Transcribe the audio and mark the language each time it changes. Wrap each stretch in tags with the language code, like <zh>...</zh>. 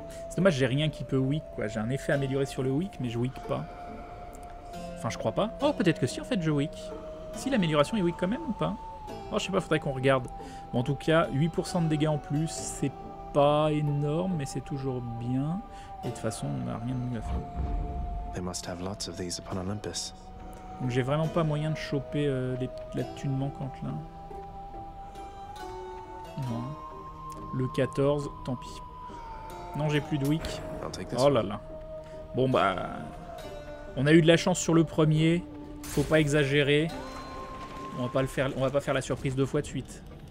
<fr>C'est dommage, j'ai rien qui peut weak, quoi. J'ai un effet amélioré sur le weak, mais je weak pas. Enfin, je crois pas. Oh, peut-être que si, en fait, je weak. Si, l'amélioration est weak quand même ou pas? Oh, je sais pas, faudrait qu'on regarde. Bon, en tout cas, 8% de dégâts en plus, c'est pas énorme, mais c'est toujours bien. Et de toute façon, on n'a rien de mieux à faire.</fr> <en>They must have lots of these upon Olympus.</en> <fr>Donc j'ai vraiment pas moyen de choper la thune manquante là. Non. Le 14, tant pis. Non, j'ai plus de weak. Oh là là. Bon bah... On a eu de la chance sur le premier. Faut pas exagérer. On va pas faire la surprise deux fois de suite.</fr>